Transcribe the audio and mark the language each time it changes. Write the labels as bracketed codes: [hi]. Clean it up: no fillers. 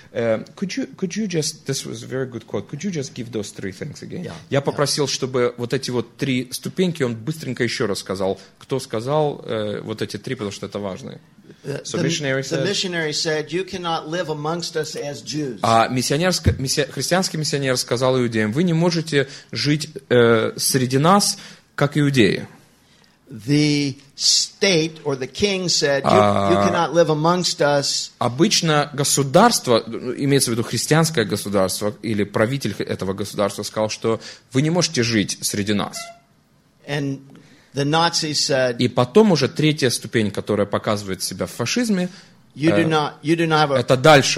[en] Could you just, this was a very good quote, could you just give those three things again? Yeah, [ru] я попросил, чтобы вот эти вот три ступеньки, он быстренько еще раз сказал, кто сказал вот эти три, потому что это важно. [en] The missionary said, you cannot live amongst us as Jews. [ru] Христианский миссионер сказал иудеям, вы не можете жить среди нас, как иудеи. [en] The state or the king said, you cannot live amongst us. [ru] Обычно государство, имеется в виду христианское государство, или правитель этого государства сказал, что вы не можете жить среди нас. [en] And the Nazis said, [ru] и потом уже третья ступень, которая показывает себя в фашизме, это дальше.